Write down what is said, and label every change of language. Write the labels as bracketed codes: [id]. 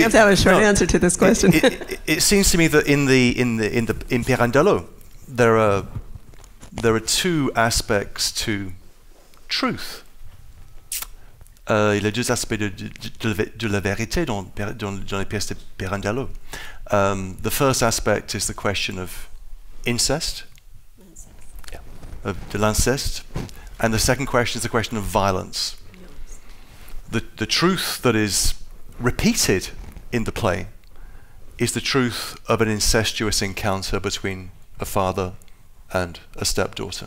[en] you have to have a short answer to this question. It seems to me that in Pirandello, there are two aspects to truth. [fr] Il y a deux aspects de la vérité dans les pièces de Pirandello. [en] The first aspect is the question of incest, [fr] de l'inceste, [en] and the second question is the question of violence. The truth that is repeated in the play is the truth of an incestuous encounter between a father and a stepdaughter.